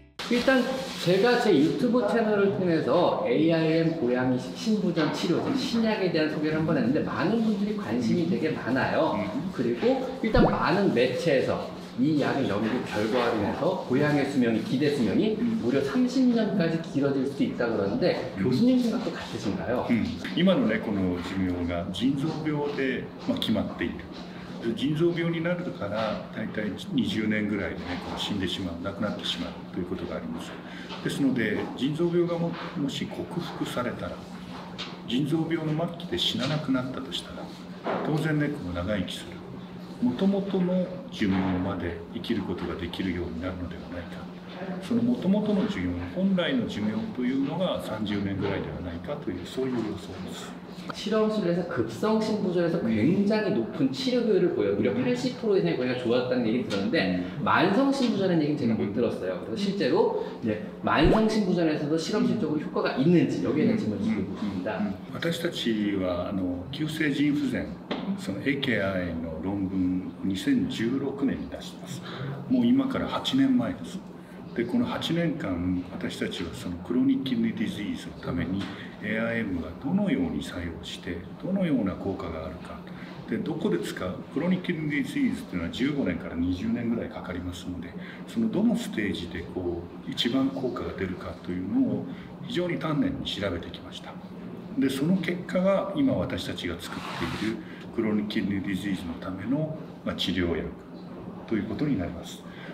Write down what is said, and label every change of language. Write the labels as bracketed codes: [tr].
[ko] 일단 제가 제 유튜브 채널을 통해서 AIM 고양이 신부전 치료제 신약에 대한 소개를 한번 했는데 많은 분들이 관심이 되게 많아요. 그리고 일단 많은 매체에서 이 약의 연구 결과로 인해서 고양이의 수명이, 기대 수명이 무려 30년까지 길어질 수도 있다고 그러는데 교수님 생각도 같으신가요? [ja] 今のねこの寿命が 腎臓病で 決まっている。腎臓病になるから大体 20年ぐらいで亡くなってしまうということがあります。ですので腎臓病がもし克服されたら腎臓病の末期で死ななくなったとしたら当然猫も長生きする元々の寿命まで生きることができるようになるのではないか。その元々の寿命本来の寿命というのが 30年ぐらいではないか というそういう予想です。 [ko] 실험실에서 급성 신부전에서 굉장히 높은 치료 효율을 보여 무려 80% 이상의 고양이가 좋았다는 얘기 들었는데 만성 신부전의 얘기는 제가 못 들었어요. 그래서 실제로 이제 만성 신부전에서도 실험실적으로 효과가 있는지 여기에 대한 질문을 드리겠습니다. [ja] 私たちは急性腎不全 AKI の論文 2016年に出します。もう今から8年前です。でこの8年間私たちはそのクロニックキドニーディジーズのために AIM がどのように作用してどのような効果があるかでどこで使うクロニックキドニーディジーズというのは 15年から20年ぐらいかかりますので そのどのステージでこう一番効果が出るかというのを非常に丹念に調べてきました。でその結果が今私たちが作っているクロニックキドニーディジーズのための治療薬ということになります。